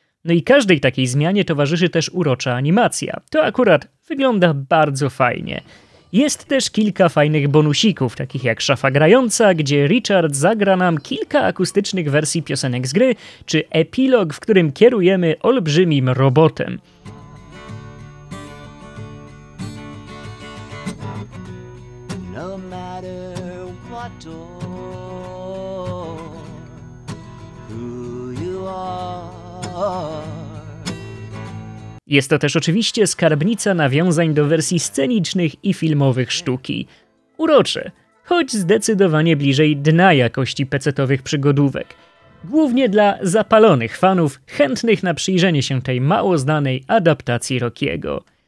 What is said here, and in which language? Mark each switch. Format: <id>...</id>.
<pl>No i każdej takiej zmianie towarzyszy też urocza animacja. To akurat wygląda bardzo fajnie. Jest też kilka fajnych bonusików, takich jak szafa grająca, gdzie Richard zagra nam kilka akustycznych wersji piosenek z gry, czy epilog, w którym kierujemy olbrzymim robotem.</pl> <en>No matter what door, who you are.</en> <pl>Jest to też oczywiście skarbnica nawiązań do wersji scenicznych i filmowych sztuki. Urocze, choć zdecydowanie bliżej dna jakości pecetowych przygodówek. Głównie dla zapalonych fanów, chętnych na przyjrzenie się tej mało znanej adaptacji Rockiego.</pl>